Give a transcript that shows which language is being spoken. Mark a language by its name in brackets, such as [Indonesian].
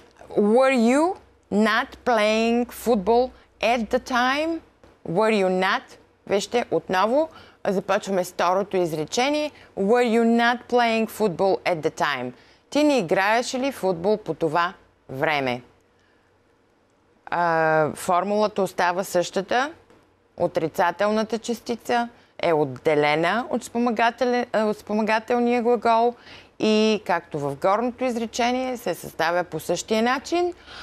[English] Were you not playing football at the time? Were you not? [Bulgarian] Вижте, отново започваме с второто изречение. [English] Were you not playing football at the time? [Bulgarian] Ти не играеш ли футбол по това време? Формулата остава същата. Отрицателната частица е отделена от спомагателния глагол. И както в горното изречение, се съставя по същия начин.